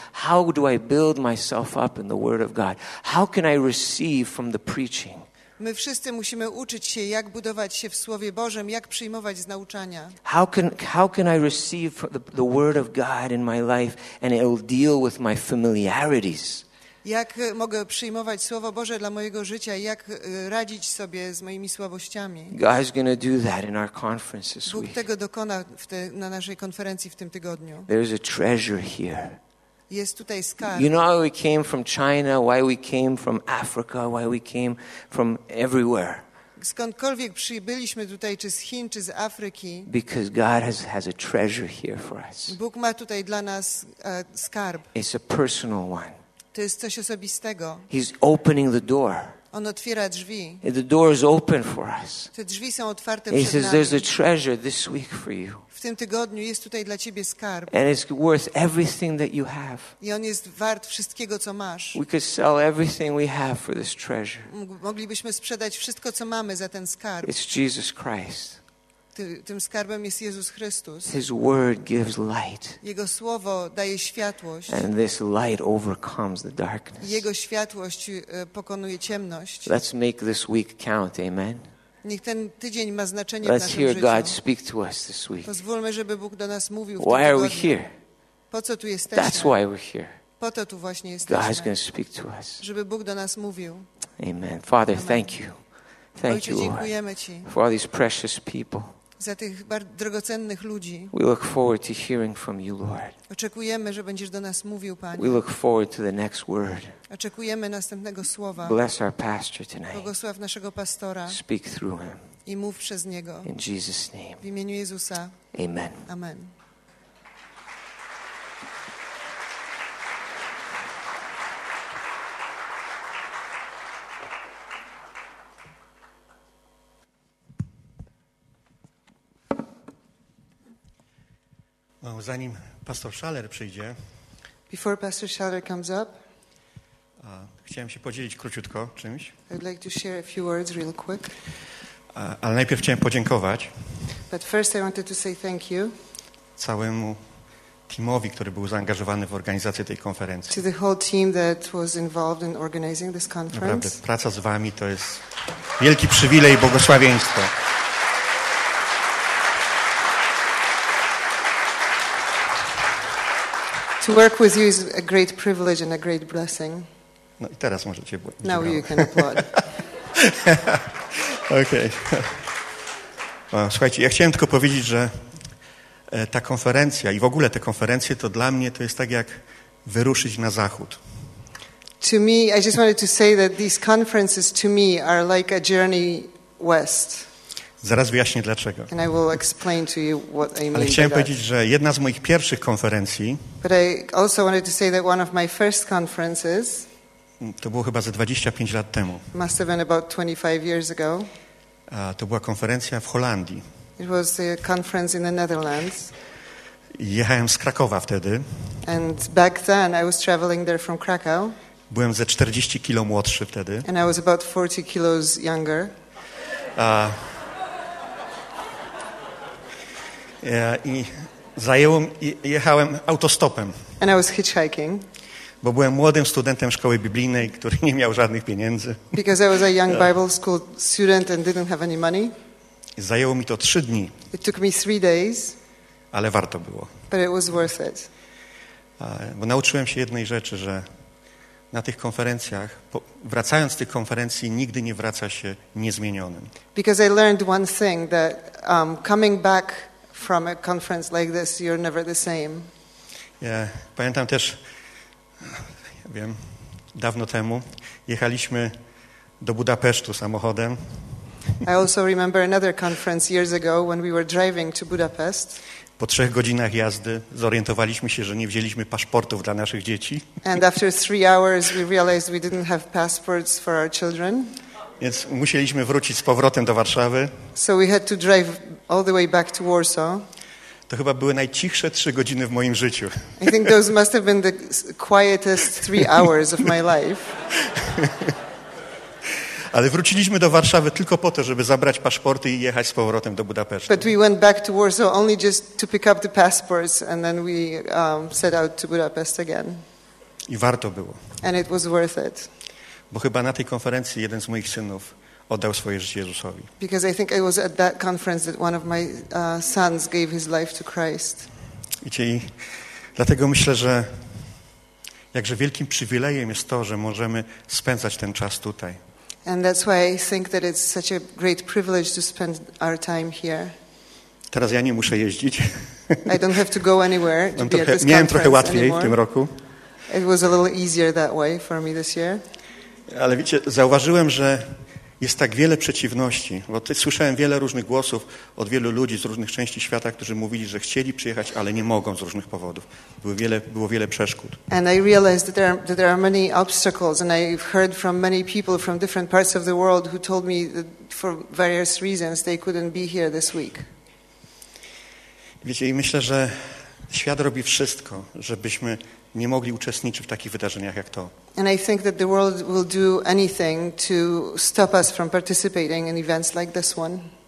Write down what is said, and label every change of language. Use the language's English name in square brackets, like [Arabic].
[English] How do I build myself up in the Word of God? How can I receive from the preaching? [Polish] My wszyscy musimy uczyć się, jak budować się w Słowie Bożym, jak przyjmować z nauczania. [English] How can I receive the word of God in my life and it will deal with my familiarities? [Polish] Jak mogę przyjmować Słowo Boże dla mojego życia, jak radzić sobie z moimi słabościami? [English] God is going to do that in our conference this week. [Polish] Bóg tego dokona na naszej konferencji w tym tygodniu. [English] There is a treasure here. [Polish] Jest tutaj skarb. [English] You know how we came from China, why we came from Africa, why we came from everywhere. [Polish] Skądkolwiek przybyliśmy tutaj, czy z Chin, czy z Afryki. [English] Because God has a treasure here for us. [Polish] Bóg ma tutaj dla nas skarb. [English] It's a personal one. [Polish] To jest coś osobistego. [English] He's opening the door. [Polish] On otwiera drzwi. [English] The door is open for us. [Polish] Te drzwi są otwarte przed nami. [English] He says, there's a treasure this week for you. [Polish] W tym tygodniu jest tutaj dla ciebie skarb. [English] And it's worth everything that you have. [Polish] I on jest wart wszystkiego, co masz. [English] We could sell everything we have for this treasure. [Polish] Moglibyśmy sprzedać wszystko, co mamy za ten skarb. [English] It's Jesus Christ. [Polish] Tym skarbem jest Jezus Chrystus. [English] His word gives light. [Polish] Jego słowo daje światłość. [English] And this light overcomes the darkness. [Polish] Jego światłość pokonuje ciemność. [English] Let's make this week count, amen. [Polish] Niech ten tydzień ma znaczenie w naszym życiu. [English] Let's hear God speak to us this week. [Polish] Pozwólmy, żeby Bóg do nas mówił. [English] Why are we here? [Polish] Po co tu jesteśmy? [English] That's why we're here. [Polish] Po to tu właśnie jesteśmy. [English] God is going to speak to us. [Polish] Żeby Bóg do nas mówił. [English] Amen. Father, amen. Thank you. Thank [Polish] Ojcze, dziękujemy Ci. [English] Lord, for all these precious people. [Polish] Za tych bardzo drogocennych ludzi. [English] We look forward to hearing from you, Lord. [Polish] Oczekujemy, że będziesz do nas mówił, Panie. [English] We look forward to the next word. [Polish] Oczekujemy następnego słowa. [English] Bless our pastor tonight. [Polish] Błogosław naszego pastora. [English] Speak through him. [Polish] I mów przez niego. [English] In Jesus' name. [Polish] W imieniu Jezusa. [English] Amen. [Polish] Amen. Zanim pastor Schaller przyjdzie, [English] before Pastor Schaller comes up, [Polish] chciałem się podzielić króciutko czymś. [English] I'd like to share a few words real quick. [Polish] Ale najpierw chciałem podziękować. [English] But first I wanted to say thank you. [Polish] Całemu teamowi, który był zaangażowany w organizację tej konferencji. [English] To the whole team that was involved in organizing this conference. [Polish] Naprawdę, praca z wami to jest wielki przywilej i błogosławieństwo. [English] To work with you is a great privilege and a great blessing. [Polish] No i teraz możecie [English] applaud. Now you can applaud. Okay. [Polish] Słuchajcie, ja chciałem tylko powiedzieć, że ta konferencja i w ogóle te konferencje to dla mnie to jest tak jak wyruszyć na zachód. [English] To me, I just wanted to say that these conferences to me are like a journey west. [Polish] Zaraz wyjaśnię dlaczego. [English] And I will explain to you what I mean. [Polish] Ale chciałem powiedzieć, że jedna z moich pierwszych konferencji. [English] But I also wanted to say that one of my first conferences. [Polish] To było chyba ze 25 lat temu. [English] Must have been about 25 years ago. [Polish] To była konferencja w Holandii. [English] It was a conference in the Netherlands. [Polish] Jechałem z Krakowa wtedy. [English] And back then I was traveling there from Krakow. [Polish] Byłem ze 40 kilo młodszy wtedy. [English] And I was about 40 kilos younger. [Polish] I zajęło mi, jechałem autostopem. [English] And I was hitchhiking. [Polish] Bo byłem młodym studentem szkoły biblijnej, który nie miał żadnych pieniędzy. [English] Because I was a young Bible school student and didn't have any money. [Polish] Zajęło mi to 3 dni. [English] It took me 3 days. [Polish] Ale warto było. [English] But it was worth it. [Polish] Bo nauczyłem się jednej rzeczy, że na tych konferencjach, wracając z tych konferencji, nigdy nie wraca się niezmienionym. [English] Because I learned one thing, that coming back from a conference like this, you're never the same. [Polish] Yeah, pamiętam też, ja wiem, dawno temu jechaliśmy do Budapesztu samochodem. [English] I also remember another conference years ago when we were driving to Budapest. [Polish] Po 3 godzinach jazdy zorientowaliśmy się, że nie wzięliśmy paszportów dla naszych dzieci. [English] And after 3 hours we realized we didn't have passports for our children. [Polish] Więc musieliśmy wrócić z powrotem do Warszawy. [English] So we had to drive all the way back to Warsaw. [Polish] To chyba były najcichsze 3 godziny w moim życiu. [English] I think those must have been the quietest 3 hours of my life. [Polish] Ale wróciliśmy do Warszawy tylko po to, żeby zabrać paszporty i jechać z powrotem do Budapesztu. [English] But we went back to Warsaw only just to pick up the passports and then we set out to Budapest again. [Polish] I warto było. [English] And it was worth it. [Polish] Bo chyba na tej konferencji jeden z moich synów oddał swoje życie Jezusowi. [English] Because I think it was at that conference that one of my sons gave his life to Christ. [Polish] Wiecie, i dlatego myślę, że jakże wielkim przywilejem jest to, że możemy spędzać ten czas tutaj. [English] And that's why I think that it's such a great privilege to spend our time here. [Polish] Teraz ja nie muszę jeździć. [English] I don't have to go anywhere to be at this [Polish] miałem trochę łatwiej [English] anymore. [Polish] W tym roku. [English] It was a little easier that way for me this year. [Polish] Ale wiecie, zauważyłem, że Jest tak wiele przeciwności, bo słyszałem wiele różnych głosów od wielu ludzi z różnych części świata, którzy mówili, że chcieli przyjechać, ale nie mogą z różnych powodów. Było wiele przeszkód. [English] And I realized that there are many obstacles, and I've heard from many people from different parts of the world who told me that for various reasons they couldn't be here this week. [Polish] Wiecie, i myślę, że świat robi wszystko, żebyśmy nie mogli uczestniczyć w takich wydarzeniach jak to. [English] And I think that the world will do anything to stop us from participating in events like this one.